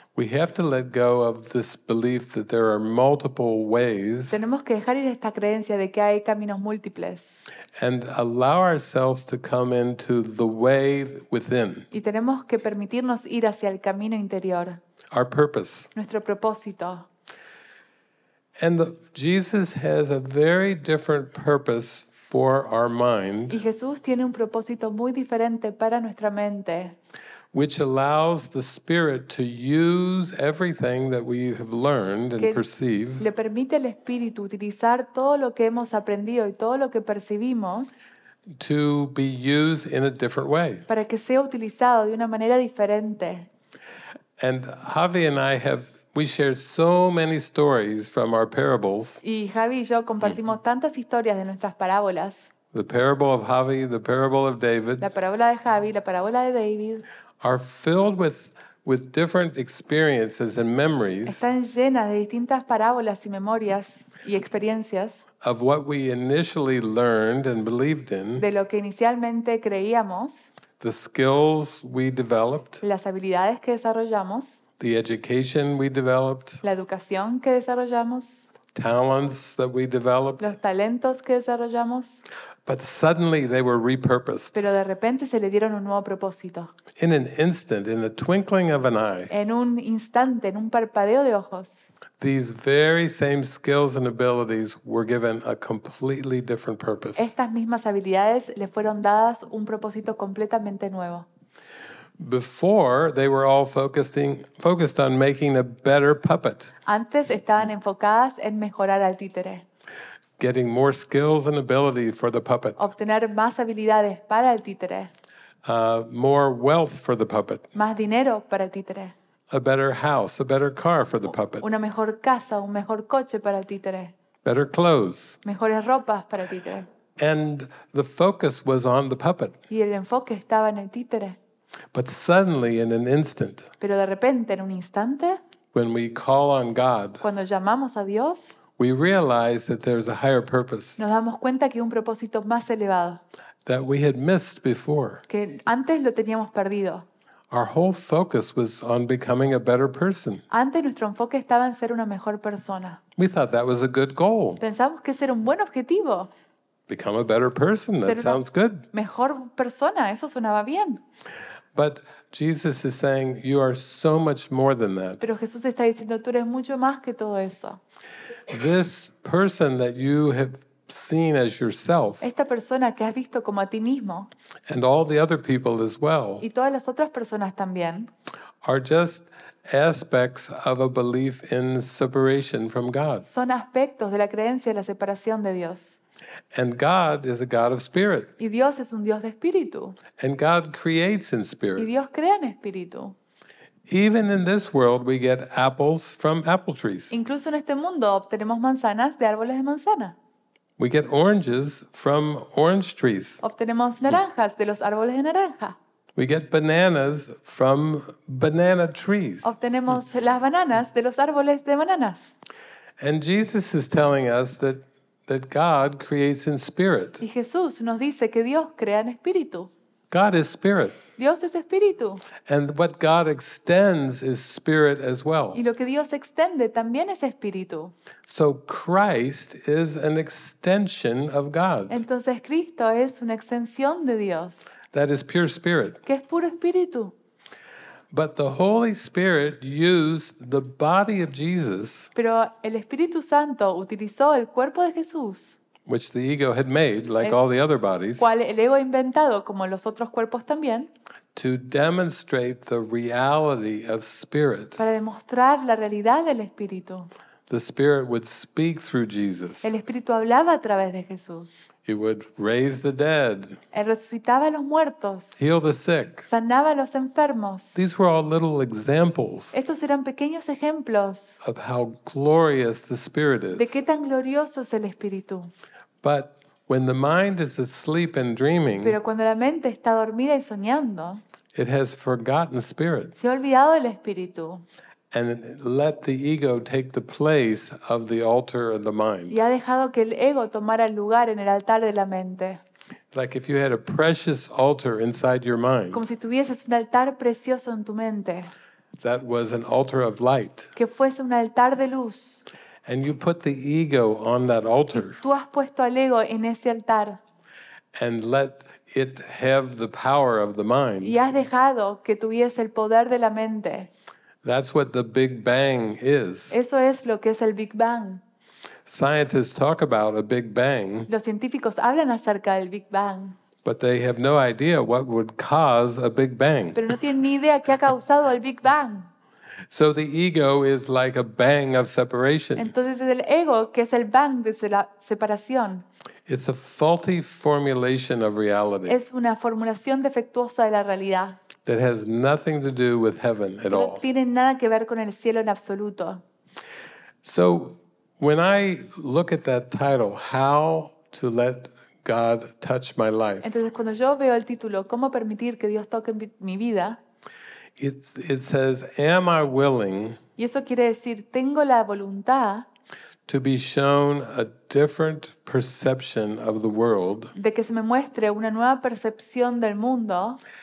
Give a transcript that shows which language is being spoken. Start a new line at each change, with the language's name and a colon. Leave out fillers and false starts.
English: We have to let go of this belief that there are multiple ways.
Spanish: Tenemos que dejar ir esta creencia de que hay caminos múltiples.
English: And allow ourselves to come into the way within.
Spanish: Y tenemos que permitirnos ir hacia el camino interior.
English: Our purpose.
Spanish: Nuestro propósito.
English: And Jesus has a very different purpose for our mind.
Spanish: Y Jesús tiene un propósito muy diferente para nuestra mente.
English: Which allows the spirit to use everything that we have learned and perceive.
Spanish: Le permite al espíritu utilizar todo lo que hemos aprendido y todo lo que percibimos.
English: To be used in a different way.
Spanish: Para que sea utilizado de una manera diferente.
English: And Javi and I share so many stories from our parables.
Spanish: Y Javi y yo compartimos tantas historias de nuestras parábolas.
English: The parable of Javi, the parable of David.
Spanish: La parábola de Javi, la parábola de David.
English: Are filled with different experiences and memories.
Spanish: Están llenas de distintas parábolas y memorias y experiencias.
English: Of what we initially learned and believed in.
Spanish: De lo que inicialmente creíamos.
English: The skills we developed.
Spanish: Las habilidades que desarrollamos.
English: The education we developed.
Spanish: La educación que desarrollamos.
English: Talents that we developed.
Spanish: Los talentos que desarrollamos.
English: But suddenly they were repurposed.
Spanish: Pero de repente se le dieron un nuevo propósito.
English: In an instant, in the twinkling of an eye.
Spanish: En un instante, en un parpadeo de ojos.
English: These very same skills and abilities were given a completely different purpose.
Spanish: Estas mismas habilidades le fueron dadas un propósito completamente nuevo.
English: Before, they were all focused on making a better puppet.
Spanish: Antes estaban enfocadas en mejorar al títere.
English: Getting more skills and ability for the puppet.
Spanish: Obtener más habilidades para el títere.
English: More wealth for the puppet.
Spanish: Más dinero para el títere.
English: A better house, a better car for the puppet.
Spanish: Una mejor casa, un mejor coche para el títere.
English: Better clothes.
Spanish: Mejores ropas para el títere.
English: And the focus was on the puppet.
Spanish: Y el enfoque estaba en el títere.
English: But suddenly, in an instant,
Spanish: pero de repente, en un instante,
English: when we call on God,
Spanish: cuando llamamos a Dios,
English: we realize that there's a higher purpose.
Spanish: Nos damos cuenta que hay un propósito más elevado.
English: That we had missed before.
Spanish: Que antes lo teníamos perdido.
English: Our whole focus was on becoming a better person.
Spanish: Antes nuestro enfoque estaba en ser una mejor persona.
English: We thought that was a good goal.
Spanish: Pensamos que ese era un buen objetivo.
English: Become a better person. That sounds good.
Spanish: Mejor persona, eso sonaba bien.
English: But Jesus is saying you are so much more than that.
Spanish: Pero Jesús está diciendo tú eres mucho más que todo eso.
English: This person that you have seen as yourself.
Spanish: Esta persona que has visto como a ti mismo.
English: And all the other people as well.
Spanish: Y todas las otras personas también.
English: Are just aspects of a belief in separation from God.
Spanish: Son aspectos de la creencia de la separación de Dios.
English: And God is a God of spirit.
Spanish: Y Dios es un Dios de espíritu.
English: And God creates in spirit.
Spanish: Y Dios crea en espíritu.
English: Even in this world, we get apples from apple trees.
Spanish: Incluso en este mundo obtenemos manzanas de árboles de manzana.
English: We get oranges from orange trees.
Spanish: Obtenemos naranjas de los árboles de naranja.
English: We get bananas from banana trees.
Spanish: Obtenemos las bananas de los árboles de bananas.
English: And Jesus is telling us that God creates in spirit.
Spanish: Y Jesús nos dice que Dios crea en espíritu.
English: God is spirit.
Spanish: Dios es espíritu.
English: And what God extends is spirit as well.
Spanish: Y lo que Dios extiende también es espíritu.
English: So Christ is an extension of God.
Spanish: Entonces Cristo es una extensión de Dios.
English: That is pure spirit.
Spanish: Que es puro espíritu.
English: But the Holy Spirit used the body of Jesus.
Spanish: Pero el Espíritu Santo utilizó el cuerpo de Jesús.
English: Which the ego had made, like all the other bodies.
Spanish: Cual el ego inventado, como los otros cuerpos también.
English: To demonstrate the reality of spirit.
Spanish: Para demostrar la realidad del Espíritu.
English: The Spirit would speak through Jesus.
Spanish: El Espíritu hablaba a través de Jesús.
English: He would raise the dead.
Spanish: Él resucitaba a los muertos.
English: Heal the sick.
Spanish: Sanaba a los enfermos.
English: These were all little examples.
Spanish: Estos eran pequeños ejemplos.
English: Of how glorious the Spirit is.
Spanish: De qué tan glorioso es el Espíritu.
English: But when the mind is asleep and dreaming.
Spanish: Pero cuando la mente está dormida y soñando.
English: It has forgotten Spirit.
Spanish: Se ha olvidado el Espíritu.
English: And let the ego take the place of the altar of the mind.
Spanish: Y ha dejado que el ego tomara lugar en el altar de la mente.
English: Like if you had a precious altar inside your mind.
Spanish: Como si tuvieses un altar precioso en tu mente.
English: That was an altar of light.
Spanish: Que fuese un altar de luz.
English: And you put the ego on that altar.
Spanish: Y tú has puesto al ego en ese altar.
English: And let it have the power of the mind.
Spanish: Y has dejado que tuviese el poder de la mente.
English: That's what the Big Bang is.
Spanish: Eso es lo que es el Big Bang.
English: Scientists talk about a Big Bang.
Spanish: Los científicos hablan acerca del Big Bang.
English: But they have no idea what would cause a Big Bang.
Spanish: Pero no tienen ni idea qué ha causado el Big Bang.
English: So the ego is like a bang of separation.
Spanish: Entonces es el ego que es el bang de la separación.
English: It's a faulty formulation of reality.
Spanish: Es una formulación defectuosa de la realidad.
English: That has nothing to do with heaven at all.
Spanish: No tiene nada que ver con el cielo en absoluto.
English: So when I look at that title, how to let God touch my life.
Spanish: Entonces cuando yo veo el título, cómo permitir que Dios toque mi vida.
English: It says, am I willing?
Spanish: Y eso quiere decir, tengo la voluntad.
English: To be shown a different perception of the world.
Spanish: De que se me muestre una nueva percepción del mundo.